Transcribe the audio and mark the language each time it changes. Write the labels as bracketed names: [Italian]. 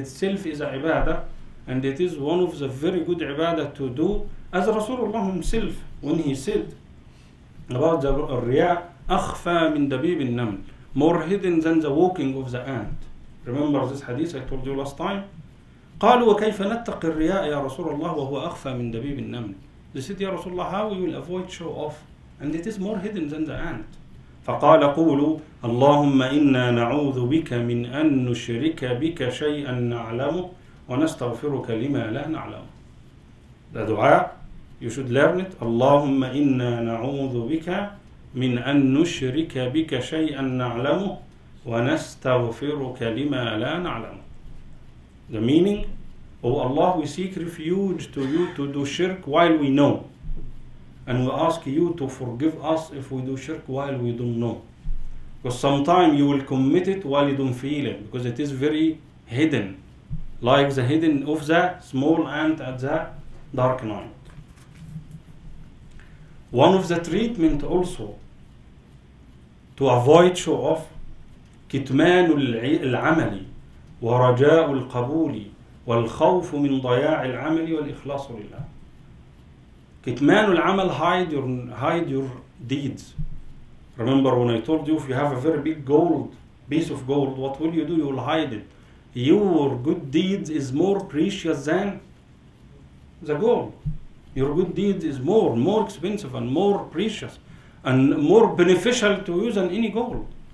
[English] Itself is a ibadah, and it is one of the very good ibadah to do, as Rasulullah himself, when he said about the riya, [Arabic] akhfa min dabib al-naml, [English] more hidden than the walking of the ant. Remember this hadith I told you last time? [Arabic] قالوا وكيف نتقي الرياء يا رسول الله وهو أخفى من دبيب النمل. [English] They said, [Arabic] يا رسول الله, [English] how you will avoid show off? And it is more hidden than the ant. [Arabic] فقال قولوا اللهم إنا نعوذ بك من أن نشرك بك شيئا نعلمه ونستغفرك لما لا نعلمه. [English] The dua, you should learn it. [Arabic] اللهم إنا نعوذ بك من أن نشرك بك شيئا نعلمه ونستغفرك لما لا نعلمه. [English] The meaning, oh Allah, we seek refuge to you to do shirk while we know, and we ask you to forgive us if we do shirk while we don't know. Because sometimes you will commit it while you don't feel it, because it is very hidden, like the hidden of the small ant at the dark night. One of the treatment also to avoid show off, [Arabic] كتمان العمل ورجاء القبول والخوف من ضياع العمل والإخلاص لله. كتمان العمل, [English] hide your deeds. Remember when I told you, if you have a very big gold piece of gold, what will you do? You will hide it. Your good deeds is more precious than the gold. Your good deeds is more expensive and more precious and more beneficial to you than any gold.